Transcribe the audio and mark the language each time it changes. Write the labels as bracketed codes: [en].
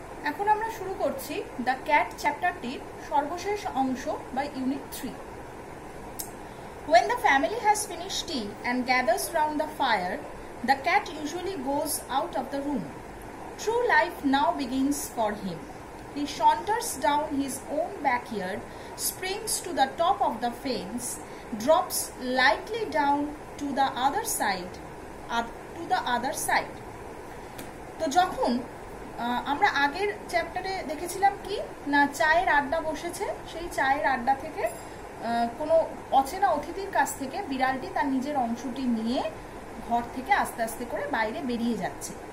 [bn] এখন আমরা শুরু করছি দ্য ক্যাট চ্যাপ্টারটির সর্বশেষ অংশ বা unit three. [en] When the family has finished tea and gathers round the fire, the cat usually goes out of the room. True life now begins for him. He saunters down his own backyard, springs to the top of the fence, drops lightly down to the other side, up to the other side. [bn] তো যখন আমরা আগের চ্যাপ্টারে দেখেছিলাম কি না চায়ের আড্ডা বসেছে, সেই চায়ের আড্ডা থেকে কোনো অচেনা অতিথির কাছ থেকে বিড়ালটি তার নিজের অংশটি নিয়ে ঘর থেকে আস্তে আস্তে করে বাইরে বেরিয়ে যাচ্ছে।